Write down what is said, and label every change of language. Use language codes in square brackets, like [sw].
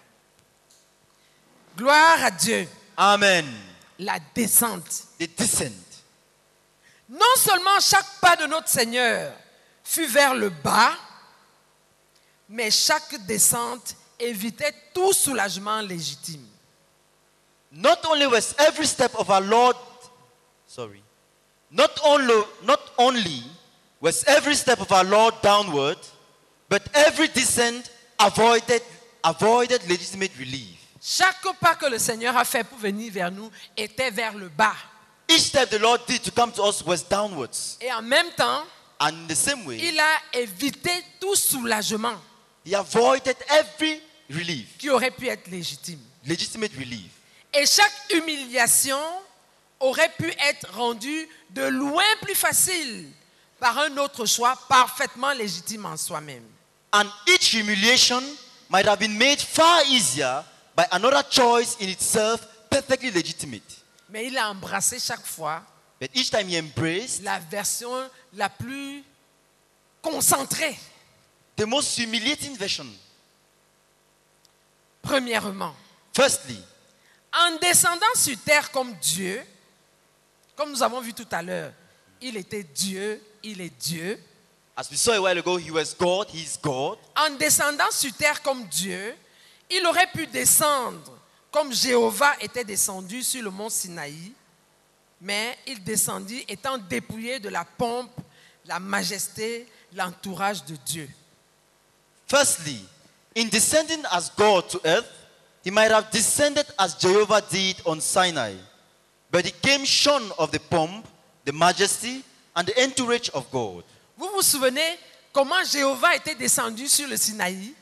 [fr] Amen. Gloire à Dieu. Amen. La descente. [en] The descent. [fr] Non seulement chaque pas de notre Seigneur fut vers le bas, mais chaque descente évitait tout soulagement légitime. [en] Not only was every step of our Lord, sorry, not only was every step of our Lord downward, but every descent avoided legitimate relief. [fr] Chaque pas que le Seigneur a fait pour venir vers nous était vers le bas. [en] Each step the Lord did to come to us was downwards. [fr] Et en même temps, [en] and in the same way, [fr] il a évité tout soulagement. [en] He avoided every relief [fr] qui aurait pu être légitime. [en] Legitimate relief. [fr] Et chaque humiliation aurait pu être rendue de loin plus facile par un autre choix parfaitement légitime en soi-même. [en] And each humiliation might have been made far easier by another choice in itself perfectly legitimate. [fr] Mais il a embrassé chaque fois [en] but each time he embraced [fr] la version la plus concentrée. [en] The most humiliating version. [fr] Premièrement, [en] firstly, [fr] en descendant sur terre comme Dieu, comme nous avons vu tout à l'heure, il était Dieu, il est Dieu. [en] As we saw a while ago, he was God, he is God. [fr] En descendant sur terre comme Dieu, il aurait pu descendre comme Jéhovah était descendu sur le mont Sinaï, mais il descendit étant dépouillé de la pompe, la majesté, l'entourage de Dieu. [en] Firstly, in descending as God to earth, he might have descended as Jehovah did on Sinai, but he came shorn of the pomp, the majesty, and the entourage of God. [fr] Vous vous souvenez comment Jéhovah était descendu sur le Sinaï?